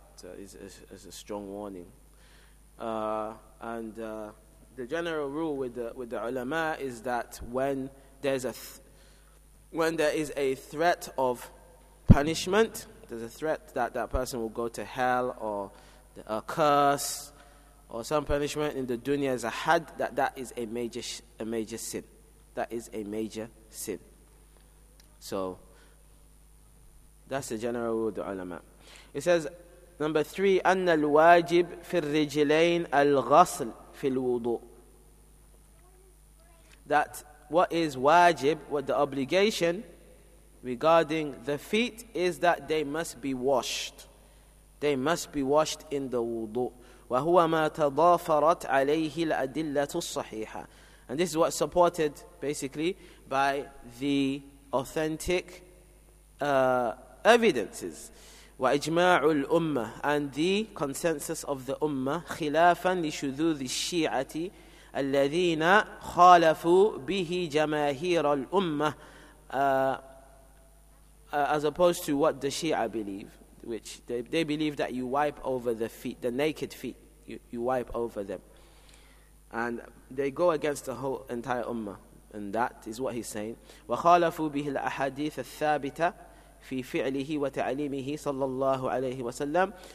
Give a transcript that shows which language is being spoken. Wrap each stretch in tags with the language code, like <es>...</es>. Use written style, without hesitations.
<en>So it's a strong warning. And the general rule with the ulama is that when there's a when there is a threat of punishment, there's a threat that person will go to hell or a curse or some punishment in the dunya is a had, that is a major sin. That is a major sin. So that's the general rule of the ulama.</en> <ar>It says, number three, أَنَّ الْوَاجِبْ فِي الرِّجِلَيْنَ الْغَصْلِ فِي الْوُضُوءِ.</ar> <en>That what is wajib, what the obligation regarding the feet is that they must be washed. They must be washed in the wudu.</en> <ar>وَهُوَ مَا تَضَافَرَتْ عَلَيْهِ الْأَدِلَّةُ الصَّحِيحَةُ.</ar> <en>And this is what's supported, basically, by the authentic evidences.</en> <ar>وَإِجْمَاعُ الْأُمَّةِ,</ar> <en>and the consensus of the ummah,</en> <ar>خِلَافًا لِشُذُوذِ الشِّيعَةِ الَّذِينَ خَالَفُوا بِهِ جَمَاهِيرَ الْأُمَّةِ,</ar> <en>as opposed to what the Shia believe, which they believe that you wipe over the feet, the naked feet, you wipe over them. And they go against the whole entire ummah, and that is what he's saying.</en> <ar>وَخَالَفُوا بِهِ الْأَحَادِيثَ الثَّابِتَةِ في فعله وتعليمه صلى الله عليه وسلم.</ar>